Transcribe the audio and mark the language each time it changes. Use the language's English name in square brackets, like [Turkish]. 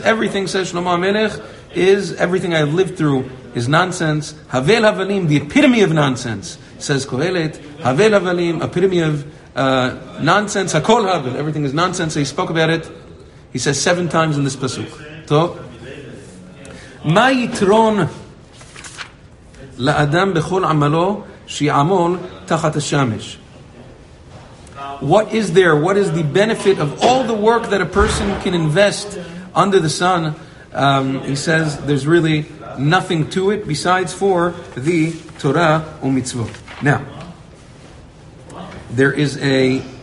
[English] Everything, says Shlomo HaMelech, is everything I lived through is nonsense. Havel Havalim, the epitome of nonsense, says Kohelet. Havel Havalim, epitome of nonsense. Hakol Havel, everything is nonsense. So he spoke about it, he says, seven times in this pasuk. [Hebrew] So, מה יתרון לאדם בכל עמלו שיעמול תחת השמש? [English] What is there? What is the benefit of all the work that a person can invest under the sun? He says there's really nothing to it besides for the Torah ומצוות. Now, there is a...